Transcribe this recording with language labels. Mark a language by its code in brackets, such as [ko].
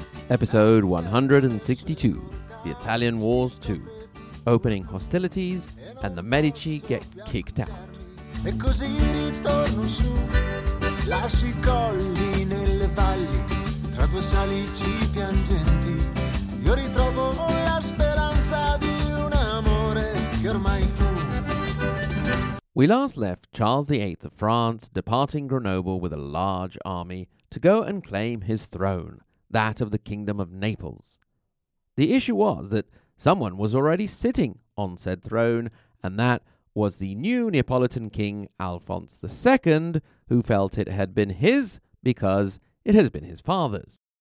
[en] Episode 162, The Italian Wars 2, opening hostilities and the Medici get kicked out. [it] E così ritorno su, lasci I colli nelle valli, tra due salici piangenti, io ritrovo la speranza di un amore che ormai fu. [en] We last left Charles VIII of France departing Grenoble with a large army to go and claim his throne, that of the Kingdom of Naples. The issue was that someone was already sitting on said throne, and that was the new Neapolitan king, Alphonse II, who felt it had been his because it had been his father's.